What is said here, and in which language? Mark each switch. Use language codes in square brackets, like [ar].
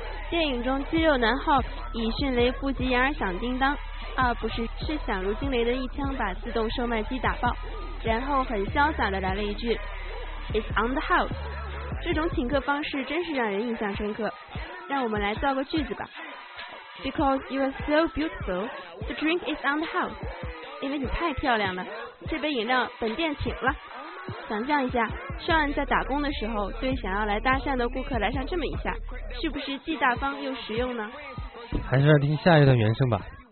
[zh] 电影中肌肉男 Hawk 以迅雷不及掩耳响叮当，二不是是响如惊雷的一枪把自动售卖机打爆，然后很潇洒地来了一句 [en] It's on the house。 [zh] 这种请客方式真是让人印象深刻。让我们来造个句子吧。 [en] Because you are so beautiful, the drink is on the house。 [zh] 因为你太漂亮了，这杯饮料本店请了。想象一下，上岸在打工的时候对想要来搭讪的顾客来上这么一下，是不是既大方又实用呢？还是来听下一段原声吧。